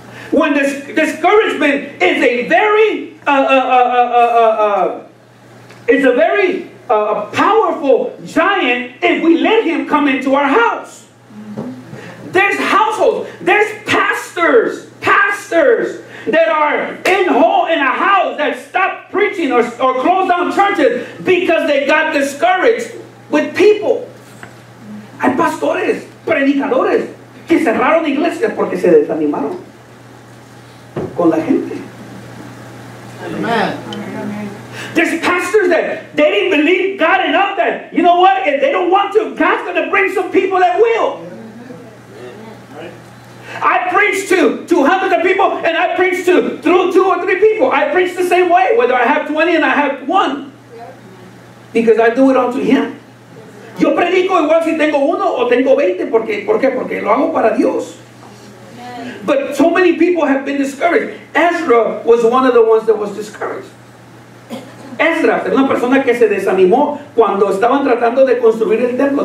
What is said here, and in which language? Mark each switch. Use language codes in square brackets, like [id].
[en] When this discouragement is a very a powerful giant, if we let him come into our house. There's households, there's pastors that are in a house that stopped preaching or closed down churches because they got discouraged with people. [es] Hay pastores, predicadores, que cerraron iglesias porque se desanimaron con la gente. [en] Amen. There's pastors that they didn't believe God enough that, you know what, if they don't want to, God's going to bring some people that will. I preach to hundreds of people, and I preach to through two or three people. I preach the same way, whether I have 20 and I have one. Because I do it unto Him. [es] Yo predico igual si tengo uno o tengo 20. ¿Por qué? Porque lo hago para Dios. [en] But so many people have been discouraged. Ezra was one of the ones that was discouraged. [es] Ezra, una persona que se desanimó cuando estaban tratando de construir el templo.